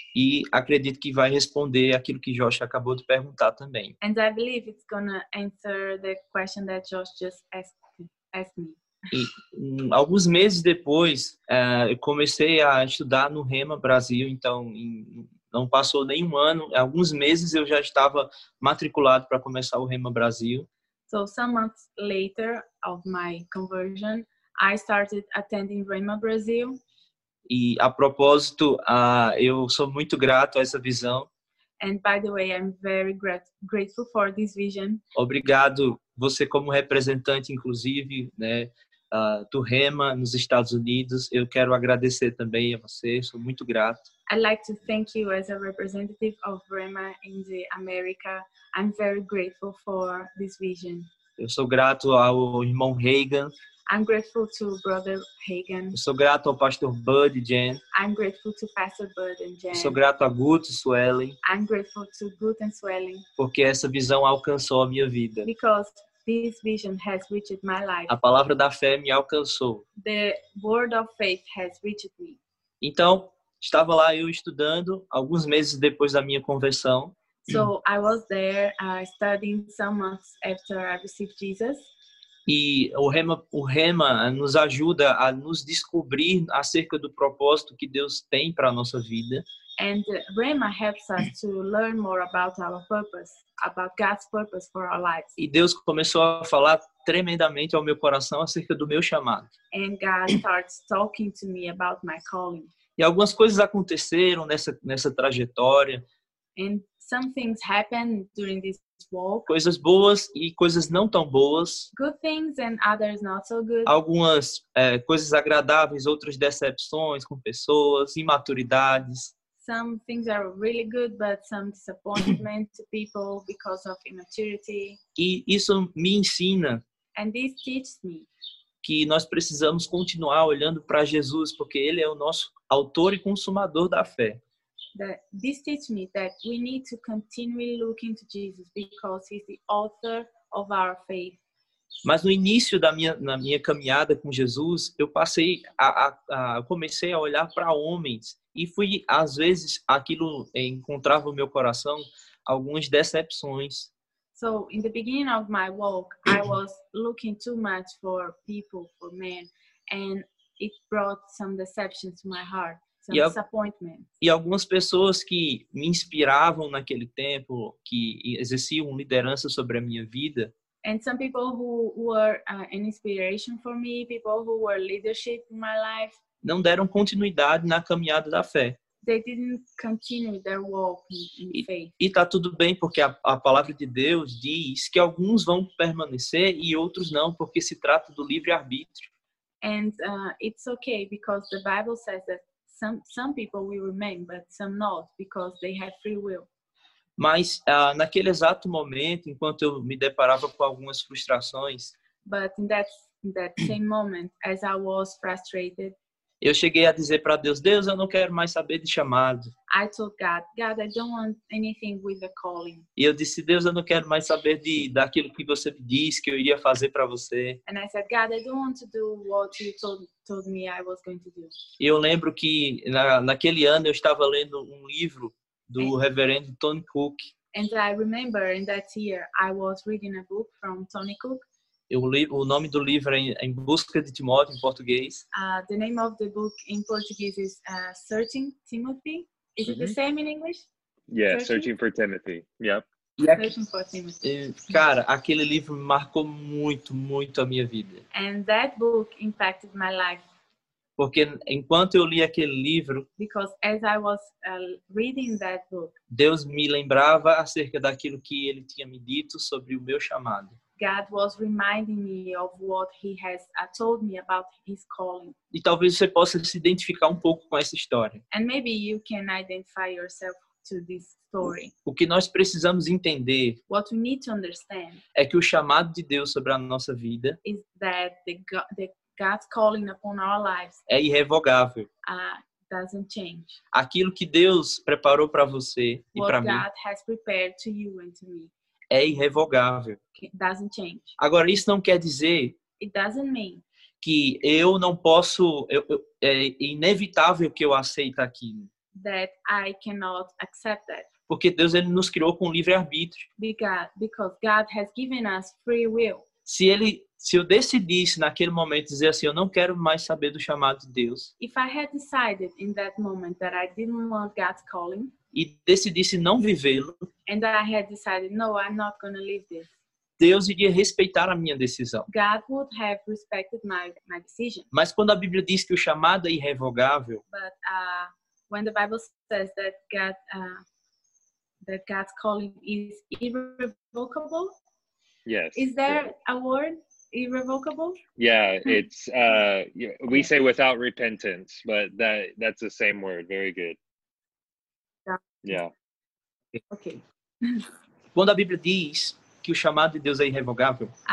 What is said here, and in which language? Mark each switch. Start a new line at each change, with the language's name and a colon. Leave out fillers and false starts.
Portuguese: E acredito que vai responder aquilo que Josh acabou de perguntar também.
English: And I believe it's going to answer the question that Josh just asked me.
Portuguese: E, alguns meses depois, eu comecei a estudar no Rema Brasil, então não passou nem um ano, alguns meses eu já estava matriculado para começar o Rema Brasil.
English: So some months later of my conversion, I started attending Rema Brazil.
Portuguese: E a propósito, eu sou muito grato a essa visão.
English: And by the way, I'm very grateful for this vision.
Portuguese: Obrigado, você como representante, inclusive, né, do Rema nos Estados Unidos. Eu quero agradecer também a você, sou muito grato.
English: I'd like to thank you as a representative of Rema in the America. I'm very grateful for this vision.
Portuguese: Eu sou grato ao irmão Reagan.
English: I'm grateful to Brother Reagan.
Portuguese: Eu sou grato ao pastor Bud e Jen.
English: I'm grateful to Pastor Bud and Jen.
Portuguese: Eu sou grato a Gut e Sueli.
English: I'm grateful to Gut and Sueli.
Portuguese: Porque essa visão alcançou a minha vida.
English: Because this vision has reached my life.
Portuguese: A palavra da fé me alcançou.
English: The word of faith has reached me.
Portuguese: Então, estava lá eu estudando, alguns meses depois da minha conversão.
English: So, I was there studying some months after I received Jesus.
Portuguese: E o Rema nos ajuda a nos descobrir acerca do propósito que Deus tem para a nossa vida.
English: And Rema helps us to learn more about our purpose, about God's purpose for our lives.
Portuguese: E Deus começou a falar tremendamente ao meu coração acerca do meu chamado.
English: And God starts talking to me about my calling.
Portuguese: E algumas coisas aconteceram nessa trajetória.
English: And some things happened during this walk.
Portuguese: Coisas boas e coisas não tão boas.
English: Good things and others not so good.
Portuguese: Algumas coisas agradáveis, outras decepções com pessoas, imaturidades.
English: Some things are really good, but some disappointment to people because of immaturity.
Portuguese: E isso me ensina.
English: And this teaches me.
Portuguese: Que nós precisamos continuar olhando para Jesus, porque Ele é o nosso autor e consumador da fé.
English: This teaches me that we need to continually look into Jesus, because He's the author of our faith.
Portuguese: Mas no início da minha, na minha caminhada com Jesus, eu passei a comecei a olhar para homens e fui, às vezes, aquilo encontrava no meu coração algumas decepções.
English: So, in the beginning of my walk, I was looking too much for people, for men, and it brought some deceptions to my heart, some disappointment.
Portuguese: E algumas pessoas que me inspiravam naquele tempo, que exerciam liderança sobre a minha vida.
English: And some people who were an inspiration for me, people who were leadership in my life.
Portuguese: Não deram continuidade na caminhada da fé.
English: They didn't continue their walk in faith.
Portuguese: E tá tudo bem, porque a palavra de Deus diz que alguns vão permanecer e outros não, porque se trata do livre-arbítrio.
English: And it's okay because the Bible says that some people will remain, but some not, because they have free will.
Portuguese: Mas naquele exato momento, enquanto eu me deparava com algumas frustrações,
English: but in that same moment, as I was frustrated,
Portuguese: eu cheguei a dizer para Deus, Deus, eu não quero mais saber de chamado.
English: I told God, God, I don't want anything with a calling.
Portuguese: E eu disse, Deus, eu não quero mais saber de daquilo que você me disse que eu iria fazer para você.
English: And I said, God, I don't want to do what you told me I was going to do.
Portuguese: E eu lembro que naquele ano eu estava lendo um livro do reverendo Tony Cook.
English: And I remember in that year I was reading a book from Tony Cook.
Portuguese: O nome do livro é Em Busca de Timóteo, em português.
English: The name of the book in Portuguese is Searching Timothy. Is it the same in English? Yeah, Searching for Timothy. Yep. Searching for Timothy.
Portuguese: Cara, aquele livro marcou muito, muito a minha vida.
English: And that book impacted my life.
Portuguese: Porque enquanto eu li aquele livro,
English: because as I was reading that book,
Portuguese: Deus me lembrava acerca daquilo que ele tinha me dito sobre o meu chamado.
English: God was reminding me of what he has told me about his calling.
Portuguese: E talvez você possa se identificar um pouco com essa história.
English: And maybe you can identify yourself to this story.
Portuguese: O que nós precisamos entender,
English: what we need to understand,
Portuguese: é que o chamado de Deus sobre a nossa vida
English: is that the God's calling upon our lives
Portuguese: é irrevogável.
English: Doesn't change.
Portuguese: Aquilo que Deus preparou para você
English: what
Portuguese: e para mim,
English: God has prepared to you and to me,
Portuguese: é irrevogável.
English: It doesn't change.
Portuguese: Agora, isso não quer dizer
English: it doesn't mean
Portuguese: que eu não posso, é inevitável que eu aceite aquilo.
English: That I cannot accept that.
Portuguese: Porque Deus ele nos criou com livre-arbítrio.
English: Because God has given us free will.
Portuguese: Se eu decidisse naquele momento dizer assim, eu não quero mais saber do chamado de Deus.
English: If I had decided in that moment that I didn't want God's calling,
Portuguese: e decidisse não vivê-lo,
English: and that I had decided, no, I'm not going to live this,
Portuguese: Deus iria respeitar a minha decisão.
English: God would have respected my decision.
Portuguese: Mas quando a Bíblia diz que o chamado é irrevogável,
English: but when the Bible says that that God's calling is irrevocable, yes, is there a word? Irrevocable? Yeah, it's we say without repentance, but that's the same word. Very good. Yeah. Okay.
Portuguese: Quando a Bíblia diz que o chamado de Deus é irrevogável,